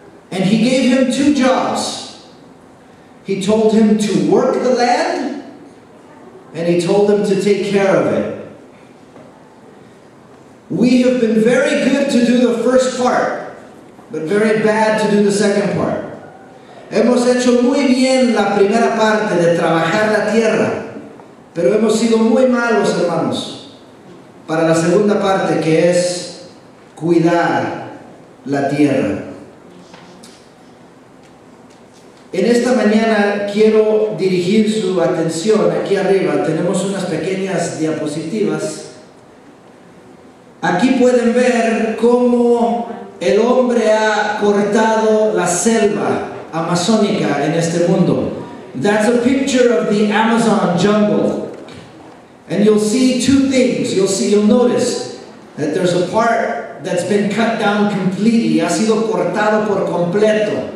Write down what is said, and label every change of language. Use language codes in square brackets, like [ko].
[en] And he gave him two jobs. He told him to work the land, and he told him to take care of it. We have been very good to do the first part, but very bad to do the second part. [es] Hemos hecho muy bien la primera parte de trabajar la tierra, pero hemos sido muy malos, hermanos, para la segunda parte, que es cuidar la tierra. En esta mañana quiero dirigir su atención, aquí arriba tenemos unas pequeñas diapositivas. Aquí pueden ver cómo el hombre ha cortado la selva amazónica en este mundo. [en] That's a picture of the Amazon jungle. And you'll see two things, you'll notice that there's a part that's been cut down completely, [es] ha sido cortado por completo.